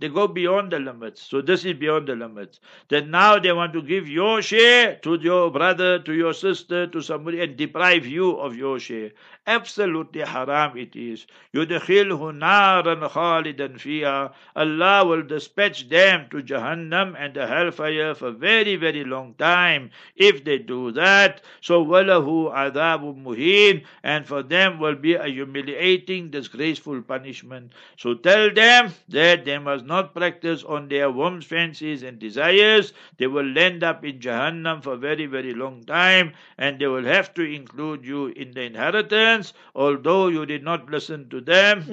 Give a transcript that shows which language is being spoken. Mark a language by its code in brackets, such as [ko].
[en] They go beyond the limits. So this is beyond the limits. Then now they want to give your share to your brother, to your sister, to somebody, and deprive you of your share. Absolutely haram it is. [ar] يُدْخِلْهُ نَارًا خَالِدًا فِيهَا. [en] Allah will dispatch them to Jahannam and the hellfire for very, very long time if they do that. [ar] So وَلَهُ عَذَابٌ مُهِينٌ. [en] And for them will be a humiliating, disgraceful punishment. So tell them that they must not practice on their womb's fancies and desires. They will end up in Jahannam for a very, very long time, and they will have to include you in the inheritance, although you did not listen to them.